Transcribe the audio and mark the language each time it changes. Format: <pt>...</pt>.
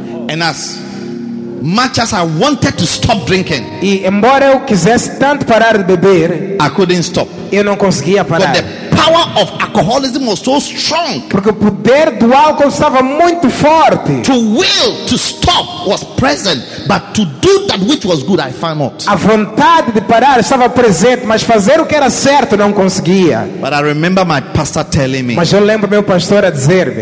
<en>And as much as I wanted to stop drinking,</en> <pt>e embora eu quisesse tanto parar de beber,</pt> <en>I couldn't stop.</en> <pt>Eu não conseguia parar.</pt> <en>But the power of alcoholism was so strong.</en> <pt>Porque o poder do álcool estava muito forte.</pt> <en>To will to stop was present, but to do that which was good, I found not.</en> <pt>A vontade de parar estava presente, mas fazer o que era certo não conseguia.</pt> <en>But I remember my pastor telling me.</en> <pt>Mas eu lembro meu pastor a dizer-me.</pt>